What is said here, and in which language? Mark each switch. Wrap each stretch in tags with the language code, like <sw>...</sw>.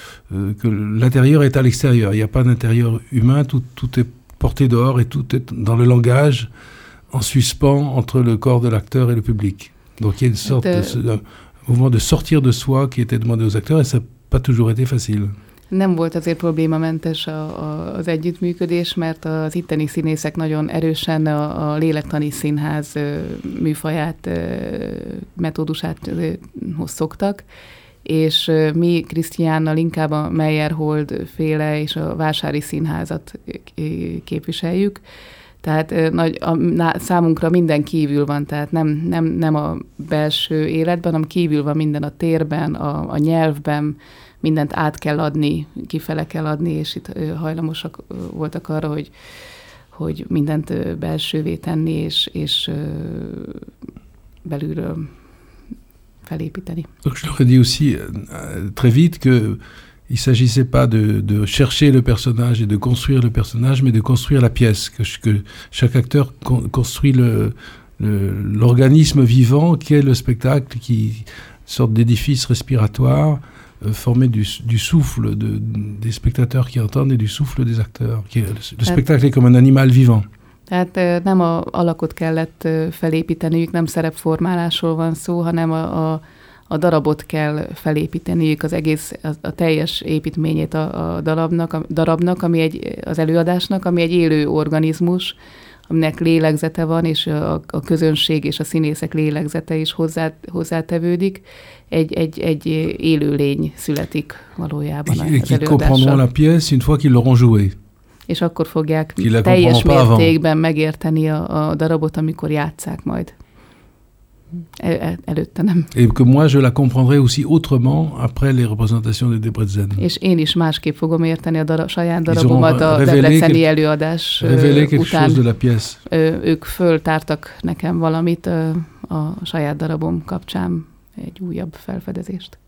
<fr>que l'intérieur est à l'extérieur. Il n'y a pas d'intérieur humain, tout est porté dehors et tout est dans le langage. en suspens entre le corps de l'acteur et le public. Donc il y a une sorte de mouvement de sortir de soi qui était demandé aux acteurs, et ça n'a pas toujours été facile.</fr> <hu>Nem volt azért problémamentes az együttműködés, mert az itteni színészek nagyon erősen a lélektani színház műfaját, metódusát szoktak, és mi Krisztiánnal inkább a Meyerhold féle és a Vásári színházat képviseljük. Tehát számunkra minden kívül van, tehát nem a belső életben, hanem kívül van minden a térben, a nyelvben, mindent át kell adni, kifele kell adni, és itt hajlamosak voltak arra, hogy mindent belsővé tenni, és belülről felépíteni.</hu> <fr>Donc je leur ai dit aussi très vite qu'il ne s'agissait pas de chercher le personnage et de construire le personnage, mais de construire la pièce, que chaque acteur construit l'organisme vivant qui est le spectacle, qui sorte d'édifice respiratoire, formé du souffle des spectateurs qui entendent et du souffle des acteurs. Le spectacle est comme un animal vivant.</fr> <hu>Tehát nem a alakot kellett felépíteniük, nem szerepformálásról van szó, hanem a darabot kell felépíteniük, az egész, a teljes építményét a darabnak, ami az előadásnak, ami egy élő organizmus, aminek lélegzete van, és a közönség és a színészek lélegzete is hozzátevődik. Egy élő lény születik valójában az előadásra.</hu> <fr>Qui comprendront la pièce une fois qu'ils l'auront jouée.</fr> <hu>És akkor fogják teljes mértékben megérteni a darabot, amikor játsszák majd. Előtte nem.</hu> <fr>Et que moi je la comprendrai aussi autrement après les représentations de Debrecen.</fr> <hu>És én is másképp fogom érteni a saját darabomat a debreceni előadás után.</hu> <fr>De la pièce.</fr> <hu>Ők föltártak nekem valamit a saját darabom kapcsán, egy újabb felfedezést.</hu>